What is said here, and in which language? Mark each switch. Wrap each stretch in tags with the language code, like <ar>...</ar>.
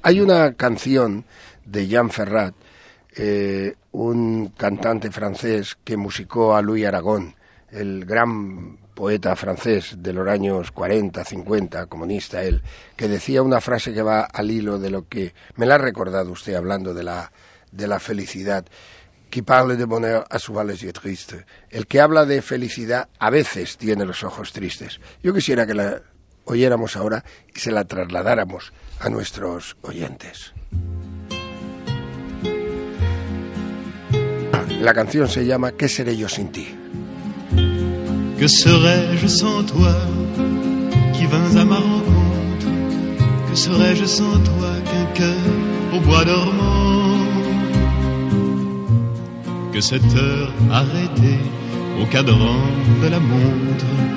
<es>Hay una canción de Jean Ferrat, un cantante francés que musicó a Louis Aragon, el gran poeta francés de los años 40, 50, comunista él, que decía una frase que va al hilo de lo que me la ha recordado usted hablando de la felicidad.</es> <fr>Qui parle de bonheur a su vez est triste.</fr> <es>El que habla de felicidad a veces tiene los ojos tristes. Yo quisiera que la oyéramos ahora y se la trasladáramos a nuestros oyentes. La canción se llama ¿Qué seré yo sin ti?</es> <fr>Que serais-je sans toi qui vins à ma rencontre? Que serais-je sans toi qu'un cœur au bois dormant? Que cette heure arrêtée au cadran de la montre?</fr>